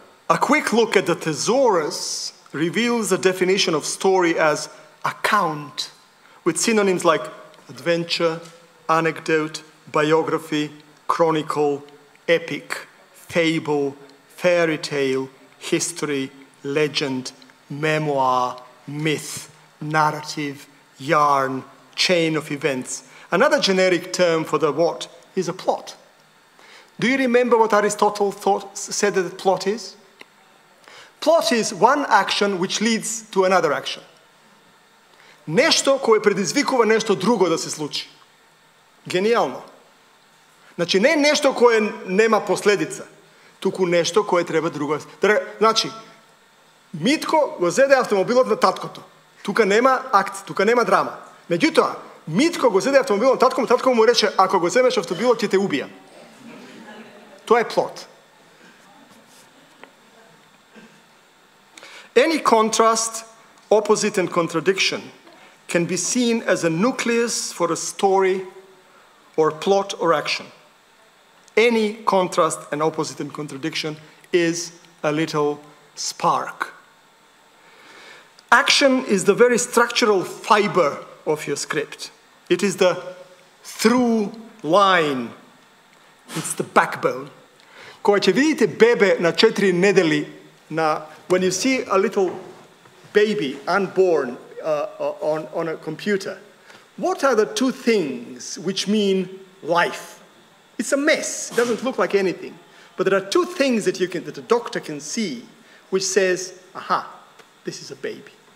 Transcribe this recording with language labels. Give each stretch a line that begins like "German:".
English: A quick look at the thesaurus reveals the definition of story as account, with synonyms like adventure, anecdote, biography, chronicle, epic, fable, fairy tale, history, legend, memoir, myth, narrative, yarn, chain of events. Another generic term for the what is a plot. Do you remember what Aristotle said that the plot is? Plot is one action which leads to another action.
Macedonian: Нешто кое предизвикува нешто друго да се случи. Гениално. Значи, не нешто кое нема последица, туку нешто кое треба друго. Значи, Митко го зеде автомобилот на таткото. Тука нема акција, тука нема драма. Меѓутоа, Митко го зеде автомобилот на таткото, таткото му рече, ако го земеш автомобилот, ќе те убија. Тоа е плот.
English: Any contrast, opposite and contradiction can be seen as a nucleus for a story or plot or action. Any contrast and opposite and contradiction is a little spark. Action is the very structural fiber of your script. It is the through line. It's the backbone.
Macedonian: Кога ќе видите бебе на 4 недели на...
English: When you see a little baby unborn on a computer, what are the two things which mean life? It's a mess. It doesn't look like anything. But there are two things that you can, that a doctor can see, which says, aha, this is a baby.